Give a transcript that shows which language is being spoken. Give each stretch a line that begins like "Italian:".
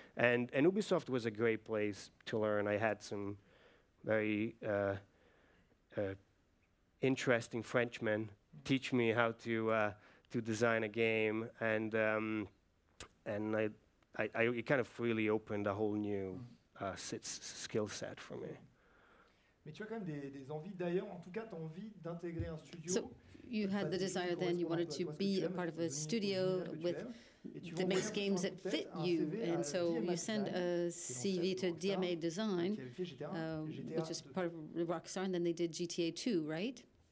English: And Ubisoft was a great place to learn. I had some very interesting Frenchmen teach me how to design a game, and I it kind of really opened a whole new skill set for me.
French: Mais tu as quand même des envies d'ailleurs, en tout cas, tu as envie d'intégrer un studio.
English: So you had the desire then, you wanted to be a part of a studio with that makes games that fit you. And so you send a CV to DMA Design, which is part of Rockstar, and then they did GTA 2, right?